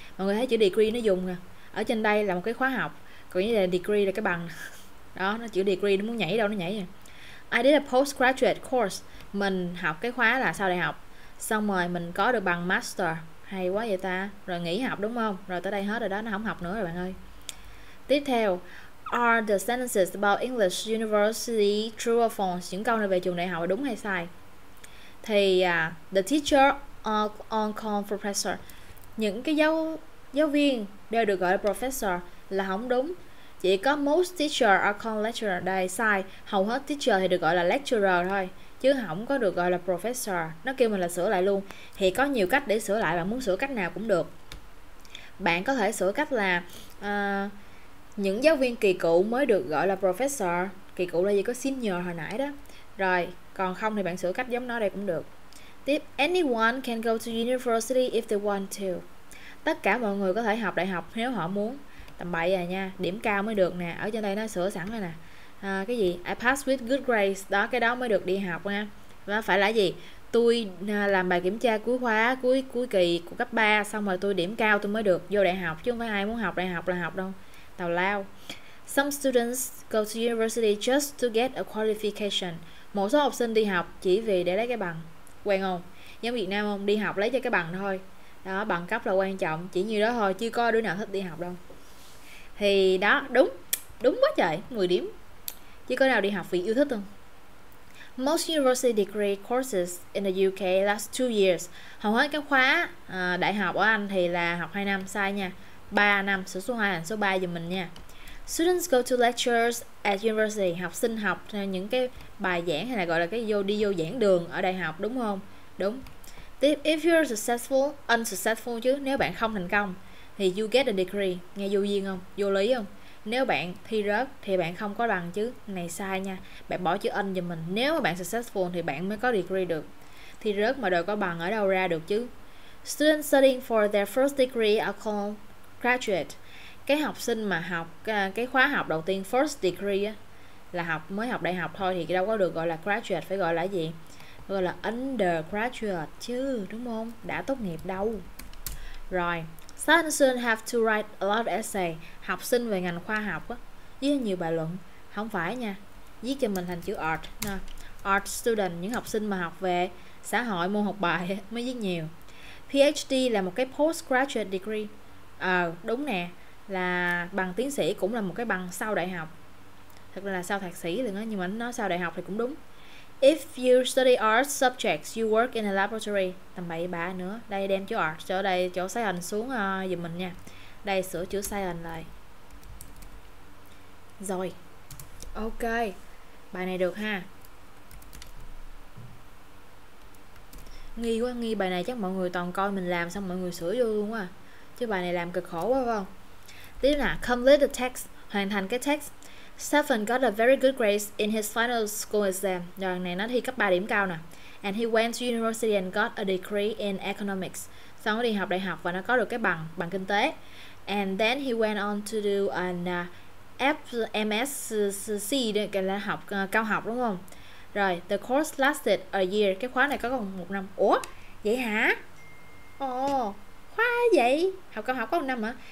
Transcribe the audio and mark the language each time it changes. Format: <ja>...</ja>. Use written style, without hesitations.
<vi>Mọi người thấy chữ degree nó dùng nè, ở trên đây là một cái khóa học, còn như là degree là cái bằng đó, nó chữ degree nó muốn nhảy đâu nó nhảy nè.</vi> <en>I did a postgraduate course,</en> <vi>mình học cái khóa là sau đại học, xong rồi mình có được bằng master, hay quá vậy ta. Rồi nghỉ học đúng không? Rồi tới đây hết rồi đó, nó không học nữa rồi bạn ơi. Tiếp theo,</vi> <en>are the sentences about English University true or false?</en> <vi>Những câu này về trường đại học là đúng hay sai? Thì</vi> <en>the teacher on call professor,</en> <vi>những cái giáo viên đều được gọi là professor là không đúng. Chỉ có</vi> <en>most teacher are called lecturer,</en> <vi>đây sai. Hầu hết teacher thì được gọi là lecturer thôi, chứ không có được gọi là professor. Nó kêu mình là sửa lại luôn. Thì có nhiều cách để sửa lại, bạn muốn sửa cách nào cũng được. Bạn có thể sửa cách là những giáo viên kỳ cựu mới được gọi là professor. Kỳ cựu là gì? Có senior hồi nãy đó. Rồi, còn không thì bạn sửa cách giống nó đây cũng được.</vi> <en>Tiếp, anyone can go to university if they want to.</en> <vi>Tất cả mọi người có thể học đại học nếu họ muốn. Tầm bậy rồi nha, điểm cao mới được nè. Ở trên đây nó sửa sẵn rồi nè. Cái gì?</vi> <en>I passed with good grades.</en> <vi>Đó, cái đó mới được đi học nha. Và phải là gì? Tôi làm bài kiểm tra cuối khóa, cuối kỳ của cấp 3, xong rồi tôi điểm cao tôi mới được vô đại học. Chứ không phải ai muốn học đại học là học đâu. Tào lao.</vi> <en>Some students go to university just to get a qualification.</en> <vi>Một số học sinh đi học chỉ vì để lấy cái bằng. Quen không? Giống Việt Nam không? Đi học lấy cho cái bằng thôi. Đó, bằng cấp là quan trọng. Chỉ như đó thôi, chưa có đứa nào thích đi học đâu. Thì đó, đúng. Đúng quá trời, 10 điểm. Chứ có nào đi học vì yêu thích không?</vi> <en>Most university degree courses in the UK last 2 years.</en> <vi>Hầu hết các khóa đại học ở Anh thì là học 2 năm, sai nha. 3 năm, sửa số 2 là số 3 giùm mình nha.</vi> <en>Students go to lectures at university.</en> <vi>Học sinh học những cái bài giảng hay là gọi là cái vô đi vô giảng đường ở đại học, đúng không? Đúng.</vi> <en>If you're successful, unsuccessful</en> <vi>chứ, nếu bạn không thành công thì</vi> <en>you get a degree,</en> <vi>nghe vô duyên không, vô lý không? Nếu bạn thi rớt thì bạn không có bằng chứ, này sai nha, bạn bỏ chữ un cho mình. Nếu mà bạn successful thì bạn mới có degree được, thi rớt mà đòi có bằng ở đâu ra được chứ.</vi> <en>Students studying for their first degree are called graduate.</en> <vi>Cái học sinh mà học cái khóa học đầu tiên, first degree là học mới học đại học thôi, thì đâu có được gọi là graduate, phải gọi là gì? Gọi là undergraduate chứ, đúng không? Đã tốt nghiệp đâu. Rồi,</vi> <en>students have to write a lot of essay.</en> <vi>Học sinh về ngành khoa học á, viết nhiều bài luận. Không phải nha, viết cho mình thành chữ art nè. Art student, những học sinh mà học về xã hội, môn học bài mới viết nhiều. PhD là một cái postgraduate degree. Ờ, đúng nè, là bằng tiến sĩ cũng là một cái bằng sau đại học. Thật là sau thạc sĩ luôn á, nhưng mà nó sau đại học thì cũng đúng.</vi> <en>If you study art subjects, you work in a laboratory.</en> <vi>Tầm bậy bạ nữa. Đây đem chỗ art chỗ đây, chỗ science xuống giùm mình nha. Đây sửa chữ science lại. Rồi. Ok. Bài này được ha. Nghi quá, nghi bài này chắc mọi người toàn coi mình làm xong mọi người sửa vô luôn quá. Chứ bài này làm cực khổ quá phải không? Tiếp nào,</vi> <en>complete the text,</en> <vi>hoàn thành cái text.</vi> <en>Stephen got a very good grade in his final school exam.</en> <vi>Rồi này nó thi cấp 3 điểm cao nè.</vi> <en>And he went to university and got a degree in economics.</en> <vi>Xong nó đi học đại học và nó có được cái bằng, bằng kinh tế.</vi> <en>And then he went on to do an FMSC,</en> <vi>cái là học cao học đúng không? Rồi,</vi> <en>the course lasted a year.</en> <vi>Cái khóa này có còn 1 năm. Ủa, vậy hả? Ồ, khóa vậy? Học cao học có 1 năm hả?</vi>